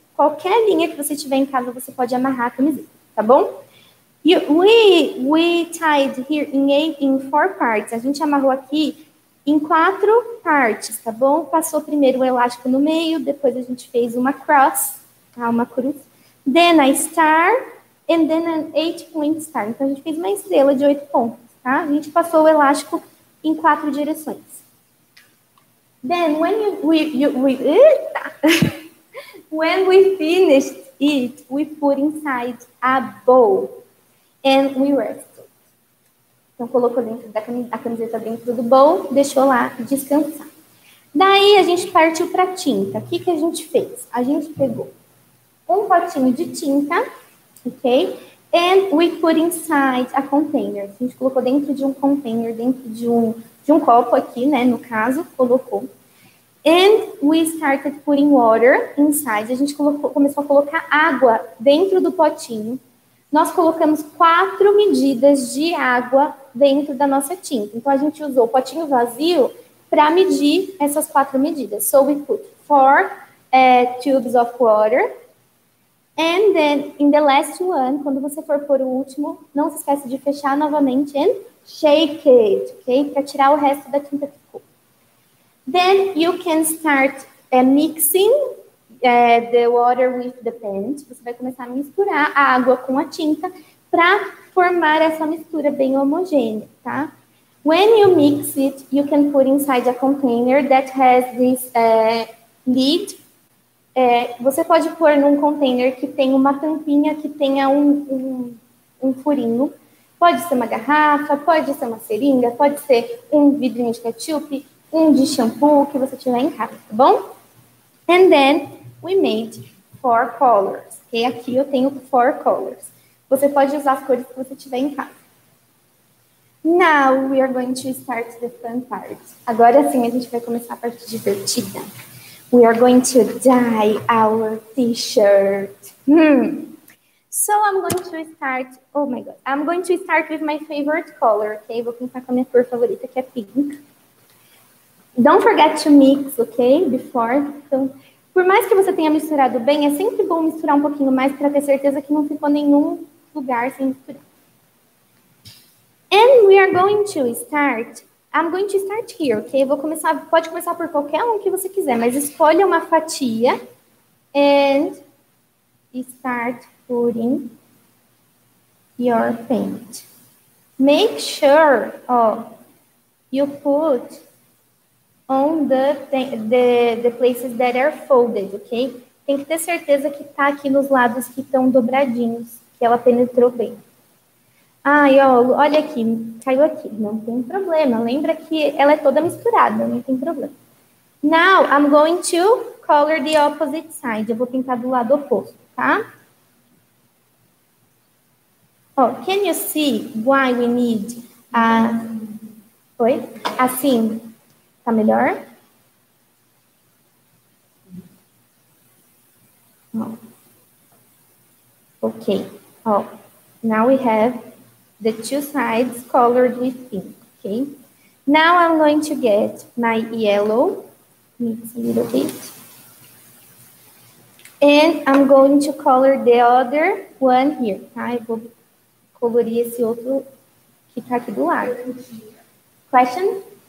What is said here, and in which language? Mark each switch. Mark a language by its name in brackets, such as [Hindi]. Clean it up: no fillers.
[Portuguese] Qualquer linha que você tiver em casa, você pode amarrar a camiseta, tá bom? [English] We tied here in four parts. [Portuguese] A gente amarrou aqui em quatro partes, tá bom? Passou primeiro o elástico no meio, depois a gente fez uma cross, tá? Uma cruz. [English] Then a star, and then an 8-point star. [Portuguese] Então, a gente fez uma estrela de 8 pontos, tá? A gente passou o elástico em quatro direções. [English] Then, when we finished it, we put inside a bowl, and we rested. [Portuguese] Então, colocou dentro da camiseta dentro do bowl, deixou lá descansar. Daí, a gente partiu para tinta. O que que a gente fez? A gente pegou um potinho de tinta, ok? [English] And we put inside a container. [Portuguese] A gente colocou dentro de um container, dentro de um copo aqui, né? No caso, colocou. [English] And we started putting water inside. [Portuguese] A gente começou a colocar água dentro do potinho. Nós colocamos 4 medidas de água dentro da nossa tinta. Então, a gente usou o potinho vazio para medir essas 4 medidas. [English] So, we put 4 tubes of water. And then, in the last one, [Portuguese] quando você for pôr o último, não se esquece de fechar novamente [English] and shake it, ok? [Portuguese] Para tirar o resto da tinta que ficou. [English] Then you can start mixing the water with the paint. [Portuguese] Você vai começar a misturar a água com a tinta para formar essa mistura bem homogênea, tá? [English] When you mix it, you can put inside a container that has this lid. [Portuguese] Você pode pôr num container que tem uma tampinha, que tenha um furinho. Pode ser uma garrafa, pode ser uma seringa, pode ser um vidrinho de ketchup, um de shampoo, que você tiver em casa, tá bom? [English] And then, we made 4 colors. Okay? [Portuguese] Aqui eu tenho 4 colors. Você pode usar as cores que você tiver em casa. [English] Now, we are going to start the fun part. [Portuguese] Agora sim, a gente vai começar a parte divertida. [English] We are going to dye our t-shirt. So, I'm going to start... Oh, my God. I'm going to start with my favorite color, okay? [Portuguese] Vou começar com a minha cor favorita, que é pink. [English] Don't forget to mix, okay? Before. [Portuguese] Então, por mais que você tenha misturado bem, é sempre bom misturar um pouquinho mais para ter certeza que não ficou nenhum lugar sem misturar. [English] And we are going to start... I'm going to start here, okay? [Portuguese] Vou começar, pode começar por qualquer um que você quiser, mas escolha uma fatia [English] and start putting your paint. Make sure you put on the places that are folded, okay? [Portuguese] Tem que ter certeza que tá aqui nos lados que estão dobradinhos, que ela penetrou bem. Ai, olha aqui, caiu aqui. Não tem problema. Lembra que ela é toda misturada, não tem problema. [English] Now, I'm going to color the opposite side. [Portuguese] Eu vou pintar do lado oposto, tá? [English] Oh, can you see why we need a... [Portuguese] Oi? Assim, tá melhor? [English] Oh. Ok. Oh, now we have... The two sides colored with pink, okay? Now I'm going to get my yellow, mix a little bit. And I'm going to color the other one here, tá? [Portuguese] Eu vou colorir esse outro que tá aqui do lado. Question?